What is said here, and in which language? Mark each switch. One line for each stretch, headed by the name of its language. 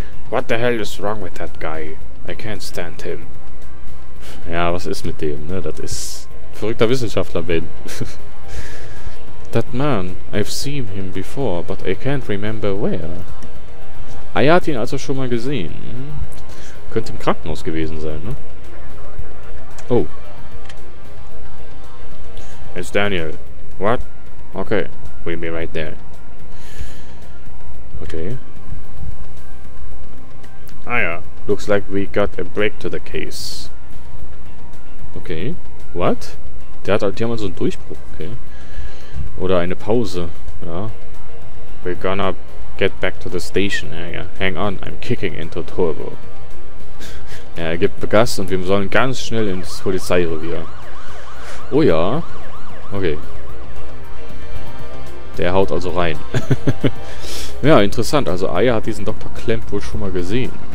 English: What the hell is wrong with that guy? I can't stand him.
German: Ja, was ist mit dem, ne? Das ist ein verrückter Wissenschaftler, Ben.
English: That man, I've seen him before, but I can't remember where.
German: Ah, er hat ihn also schon mal gesehen. Könnte im Krankenhaus gewesen sein, ne? Oh.
English: It's Daniel. What? Okay, we'll be right there. Okay. Ah ja, looks like we got a break to the case.
German: Okay, what? Die haben also einen Durchbruch, okay. Oder eine Pause, ja.
English: We're gonna get back to the station, ja. Hang on, I'm kicking into turbo.
German: Ja, er gibt Gas und wir sollen ganz schnell ins Polizeirevier. Oh ja, okay. Der haut also rein. Ja, interessant, also Aya hat diesen Dr. Clamp wohl schon mal gesehen.